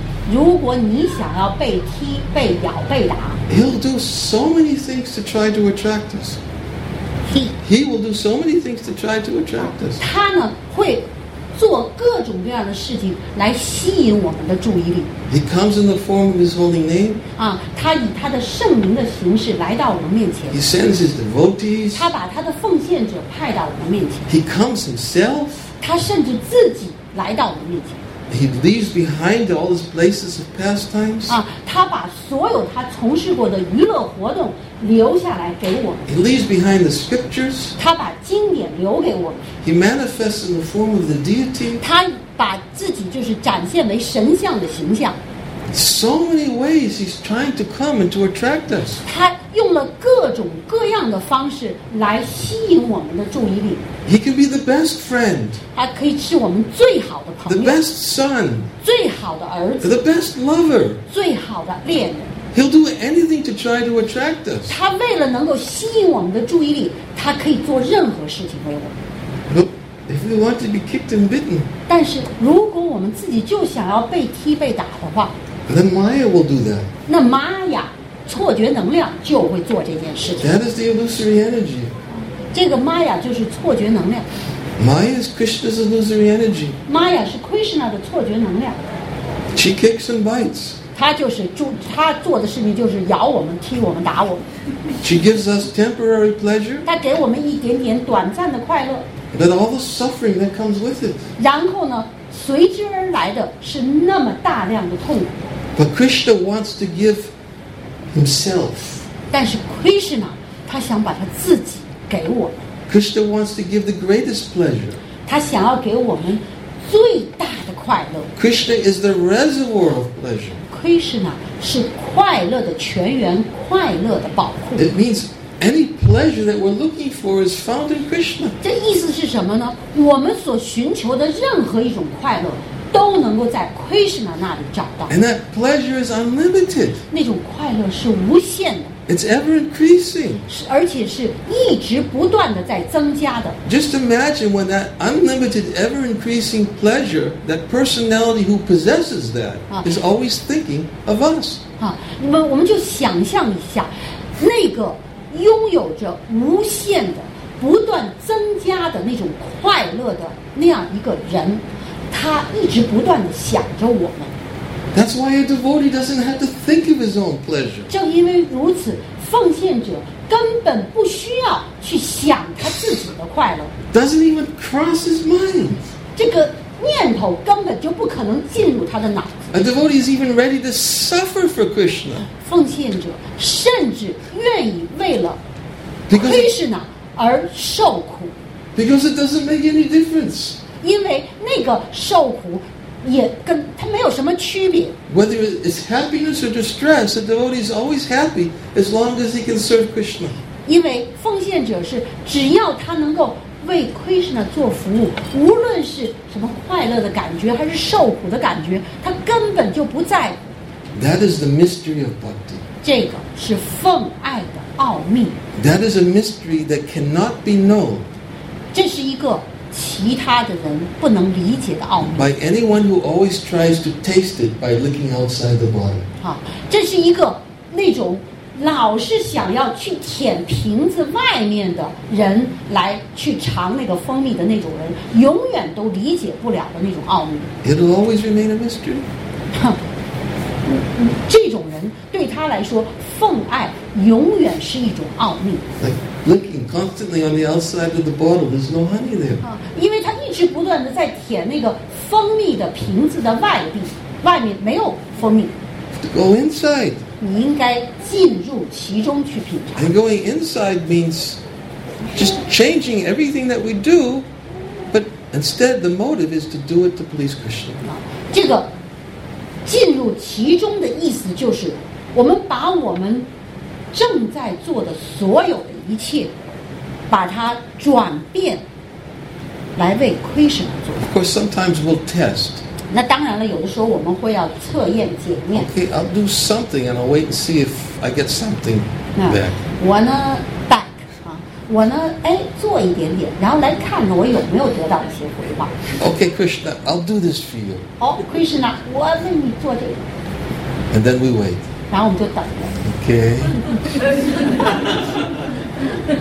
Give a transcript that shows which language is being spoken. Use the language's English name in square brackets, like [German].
[Chinese] 如果你想要被踢、被咬、被打 [English] ，He'll do so many things to try to attract us. He will do so many things to try to attract us. [Chinese] 他呢会。做各种各样的事情来吸引我们的注意力。 [English] He comes in the form of his holy name. [Chinese] 啊，他以他的圣名的形式来到我们面前。 [English] He sends his devotees. [Chinese] 他把他的奉献者派到我们面前。 [English] He comes himself. [Chinese] 他甚至自己来到我们面前。 [English] He leaves behind all his places of pastimes. [Chinese] 啊，他把所有他从事过的娱乐活动留下来给我们。 [English] He leaves behind the scriptures. [Chinese] 他把经典留给我们。 [English] He manifests in the form of the deity. [Chinese] 他把自己就是展现为神像的形象。 [English] So many ways he's trying to come and to attract us. [Chinese] 他用了各种各样的方式来吸引我们的注意力。 [English] He can be the best friend. [Chinese] 他可以是我们最好的朋友。 [English] The best son. [Chinese] 最好的儿子。 [English] The best lover. [Chinese] 最好的恋人。 [English] He'll do anything to try to attract us. [Chinese] 他为了能够吸引我们的注意力，他可以做任何事情为我们。 [English] If we want to be kicked and bitten, [Chinese] 但是如果我们自己就想要被踢被打的话 [English] ，then Maya will do that. [Chinese] 那玛雅错觉能量就会做这件事情。 [English] That is the illusory energy. [Chinese] 这个玛雅就是错觉能量。 [English] Maya is Krishna's illusory energy. [Chinese] 玛雅是 Krishna 的错觉能量。 [English] She kicks and bites. [Chinese] 她就是她做的事情就是咬我们、踢我们、打我们。 [English] She gives us temporary pleasure. [Chinese] 她给我们一点点短暂的快乐。 [English] But all the suffering that comes with it. [Chinese] 然后呢，随之而来的是那么大量的痛苦。 [English] But Krishna wants to give himself. [Chinese] 但是 Krishna 他想把他自己给我们。 [English] Krishna wants to give the greatest pleasure. [Chinese] 他想要给我们最大的快乐。 [English] Krishna is the reservoir of pleasure. [Chinese] Krishna 是快乐的泉源，快乐的宝库。 [English] It means. Any pleasure that we're looking for is found in Krishna. [Chinese] 这意思是什么呢？我们所寻求的任何一种快乐，都能够在 Krishna 那里找到。 [English] And that pleasure is unlimited. [Chinese] 那种快乐是无限的。 [English] It's ever increasing. [Chinese] 而且是一直不断的在增加的。 [English] Just imagine when that unlimited, ever increasing pleasure, that personality who possesses that, is always thinking of us. [Chinese] 我们就想象一下，那个。拥有着无限的、不断增加的那种快乐的那样一个人，他一直不断的想着我们。 [English] That's why a devotee doesn't have to think of his own pleasure. [Chinese] 正因为如此，奉献者根本不需要去想他自己的快乐。 [English] Doesn't even cross his mind. [Chinese] 这个念头根本就不可能进入他的脑子。 [English] A devotee is even ready to suffer for Krishna. [Chinese] 奉献者甚至愿意为了 Krishna 而受苦。 [English] Because it doesn't make any difference. [Chinese] 因为那个受苦也跟他没有什么区别。 [English] Whether it's happiness or distress, a devotee is always happy as long as he can serve Krishna. [Chinese] 因为奉献者是只要他能够为 Krishna 做服务，无论是什么快乐的感觉还是受苦的感觉，他根本就不在乎。 [English] That is the mystery of bhakti. [Chinese] 这个是奉爱的奥秘。 [English] That is a mystery that cannot be known. [Chinese] 这是一个其他的人不能理解的奥秘。 [English] By anyone who always tries to taste it by looking outside the body. [Chinese] 这是一个那种老是想要去舔瓶子外面的人来去尝那个蜂蜜的那种人永远都理解不了的那种奥秘。 [English] It'll always remain a mystery. [Chinese] 这种人对他来说奉爱永远是一种奥秘。 [English] Like looking constantly on the outside of the bottle, there's no honey there. [Chinese] 因为他一直不断的在舔那个蜂蜜的瓶子的外壁，外面没有蜂蜜。 [English] Go inside. [Chinese] 你应该进入其中去品尝。 [English] And going inside means just changing everything that we do, but instead the motive is to do it to please Krishna. [Chinese] 这个进入其中的意思就是，我们把我们正在做的所有的一切，把它转变来为 Krishna 做。 [English] Of course, sometimes we'll test. [Chinese] 那当然了，有的时候我们会要测验检验。 [English] Okay, I'll do something and I'll wait and see if I get something back. [Chinese] 我呢 back 啊，我呢哎做一点点，然后来看我有没有得到一些回报。 [English] Okay, Krishna, I'll do this for you. [Chinese] Oh, Krishna, 我为你做这个。 [English] And then we wait. [Chinese] 然后我们就等着。